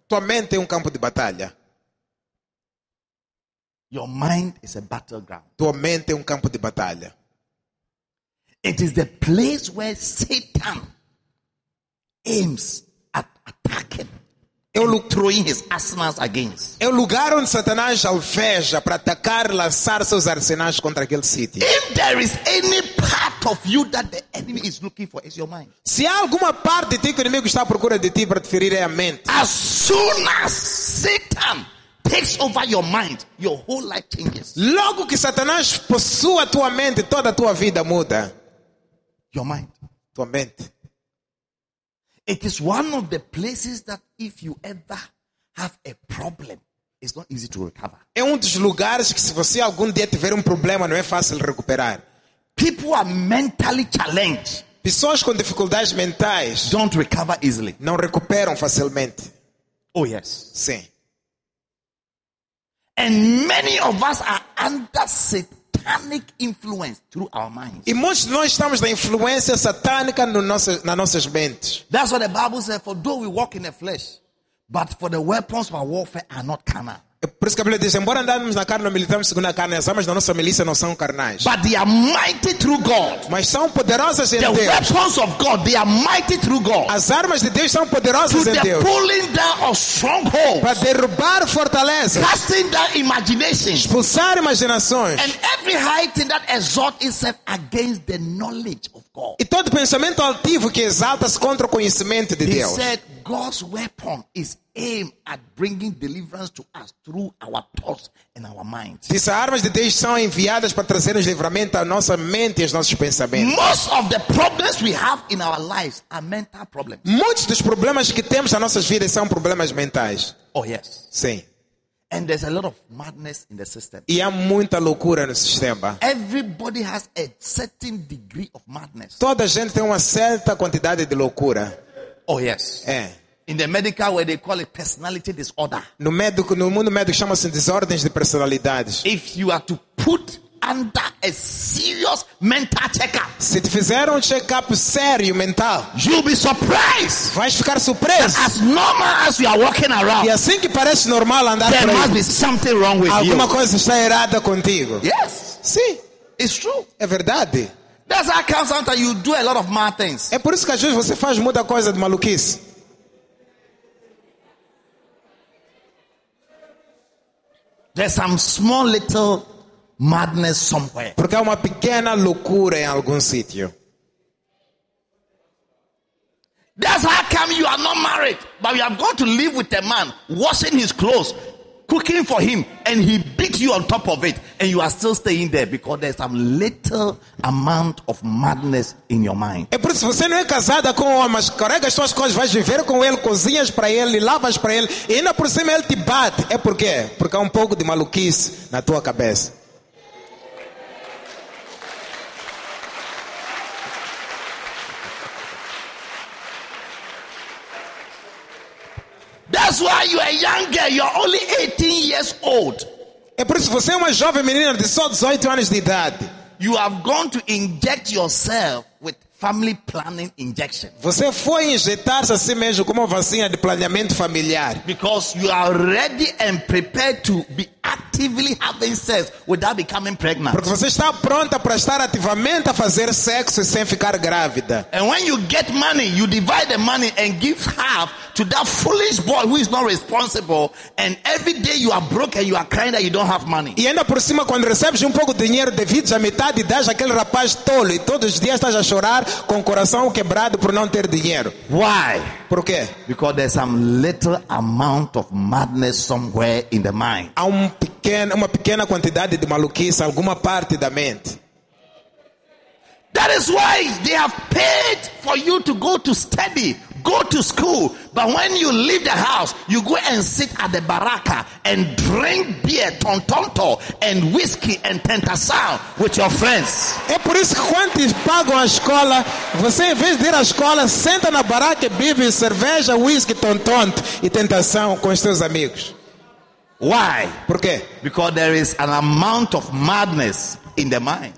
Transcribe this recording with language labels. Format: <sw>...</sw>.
<pt>Tua mente é campo de batalha.</pt> <en>Your mind is a battleground.</en> <pt>Tua mente é campo de batalha.</pt> <en>It is the place where Satan aims at attacking. Throwing his arsenals against.</en> <pt>É o lugar onde Satanás alveja para atacar, lançar seus arsenais contra aquele sítio.</pt> <en>If there is any part of you that the enemy is looking for, it's your mind.</en> <pt>Se há alguma parte de ti que o inimigo está à procura de ti para te ferir, é a mente.</pt> <en>As soon as Satan takes over your mind, your whole life changes.</en> <pt>Logo que Satanás possua a tua mente, toda a tua vida muda.</pt> <en>Your mind.</en> <pt>Tua mente.</pt> <en>It is one of the places that if you ever have a problem, it's not easy to recover.</en> <pt>É dos lugares que se você algum dia tiver problema, não é fácil recuperar.</pt> <en>People are mentally challenged.</en> <pt>Pessoas com dificuldades mentais</pt> <en>don't recover easily.</en> <pt>Não recuperam facilmente.</pt> <en>Oh yes.</en> <pt>Sim.</pt> <en>And many of us are under satanic influence through our minds.</en> <pt>E muitos de nós estamos na influência satânica nas nossas mentes.</pt> <en>That's what the Bible says, for though we walk in the flesh, but for the weapons of our warfare are not carnal.</en> <pt>É por isso que a Bíblia diz, embora andamos na carne, não militamos segundo a carne, as armas da nossa milícia não são carnais.</pt> <en>But they are mighty through God.</en> <pt>Mas são poderosas em</pt> <en>the</en> <pt>Deus.</pt> <en>The weapons of God, they are mighty through God.</en> <pt>As armas de Deus são poderosas</pt> <en>to</en> <pt>em</pt> <en>the</en> <pt>Deus.</pt> <en>Pulling down of strongholds.</en> <pt>Para derrubar fortalezas.</pt> <en>Casting down imaginations.</en> <pt>Expulsar imaginações.</pt> <en>And every high thing that exalts itself against the knowledge of God.</en> <pt>E todo pensamento altivo que exalta-se contra o conhecimento de</pt> <en>he</en> <pt>Deus.</pt> <en>Said, God's weapon is aimed at bringing deliverance to us through our thoughts and our minds.</en> <pt>Essas armas de Deus são enviadas para trazer-nos livramento à nossa mente e aos nossos pensamentos.</pt> <en>Most of the problems we have in our lives are mental problems.</en> <pt>Muitos dos problemas que temos nas nossas vidas são problemas mentais.</pt> <en>Oh yes.</en> <pt>Sim.</pt> <en>And there's a lot of madness in the system.</en> <pt>E há muita loucura no sistema.</pt> <en>Everybody has a certain degree of madness.</en> <pt>Toda a gente tem uma certa quantidade de loucura.</pt> <en>Oh yes.</en> <pt>É.</pt> <en>In the medical where they call it personality disorder.</en> <pt>No mundo médico chama-se desordens de personalidades.</pt> <en>If you are to put under a serious mental checkup.</en> <pt>Se te fizer check-up sério mental,</pt> <en>you'll be surprised.</en> <pt>Vais ficar surpreso.</pt> <en>As normal as you are walking around.</en> <pt>E assim que parece normal andar</pt> <en>there must be something wrong with</en> <pt>alguma</pt> <en>you.</en> <pt>Alguma coisa está errada contigo.</pt> <en>Yes.</en> <pt>Sim.</pt> <en>It's true.</en> <pt>É verdade.</pt> <en>That's how comes out that you do a lot of mad things.</en> <pt>É por isso que às vezes você faz muita coisa de maluquice.</pt> <en>There's some small little madness somewhere.</en> <pt>Porque há uma pequena loucura em algum sítio.</pt> <en>That's how come you are not married, but you have gone to live with a man, washing his clothes, cooking for him, and he beats you on top of it, and you are still staying there because there's some little amount of madness in your mind.</en> <pt>É por isso que você não é casada com um homem, mas carrega as suas coisas, vais viver com ele, cozinhas para ele, lavas para ele, e ainda por cima ele te bate. É por quê? Porque há um pouco de maluquice na tua cabeça.</pt> <en>That's why you are younger. You are only 18 years old.</en> <pt>É por isso que você é uma jovem menina de só 18 anos de idade.</pt> <en>You have gone to inject yourself with family planning injection.</en> <pt>Você foi injetar-se a si mesmo com uma vacina de planejamento familiar.</pt> <en>Because you are ready and prepared to be actively having sex without becoming pregnant.</en> <pt>Porque você está pronta para estar ativamente a fazer sexo sem ficar grávida.</pt> <en>And when you get money, you divide the money and give half to that foolish boy who is not responsible, and every day you are broke and you are crying that you don't have money.</en> <pt>E ainda por cima, quando recebes pouco dinheiro, divides a metade e dás àquele rapaz tolo, e todos os dias estás a chorar com o coração quebrado por não ter dinheiro.</pt> <en>Why?</en> <pt>Por quê?</pt> <en>Because there's some little amount of madness somewhere in the mind.</en> <pt>Há uma pequena quantidade de maluquice alguma parte da mente.</pt> <en>That is why they have paid for you to go to study. go to school, but when you leave the house, you go and sit at the baraka and drink beer, tontonto, and whiskey and tentação with your friends.</en> <pt>É por isso que quando pagam a escola, você em vez de ir à escola, senta na baraka, bebe cerveja, whisky, tontonto e tentação com os seus amigos.</pt> <en>Why?</en> <pt>Por quê?</pt> <en>Because there is an amount of madness in the mind.</en>